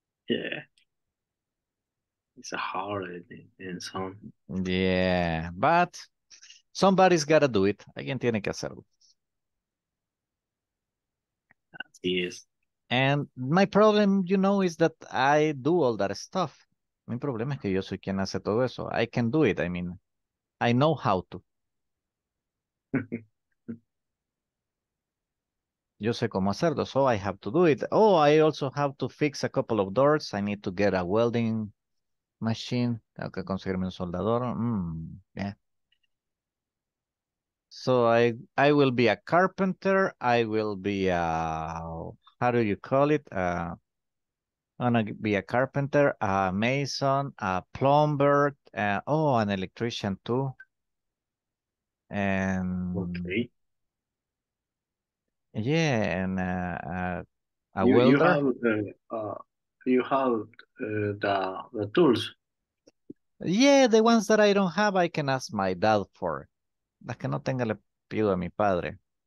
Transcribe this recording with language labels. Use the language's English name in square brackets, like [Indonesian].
[English] Yeah. It's a holiday and some. Yeah, but somebody's got to do it. [Spanish] Alguien tiene que hacerlo. [English] Yes. And my problem, you know, is that I do all that stuff. [Spanish] Mi problema es que yo soy quien hace todo eso. [English] I can do it. I mean, I know how to. [Spanish] Yo sé cómo hacerlo, [English] so I have to do it. Oh, I also have to fix a couple of doors. I need to get a welding machine. [Spanish] Tengo que conseguirme un soldador. [English] Yeah. So I will be a carpenter. I will be a, how do you call it? I'm going to be a carpenter, a mason, a plumber, an electrician too. And okay. Yeah, and a you, welder. You have the tools. Yeah, the ones that I don't have, I can ask my dad for. [Spanish] Las que no tenga, le pido a mi padre.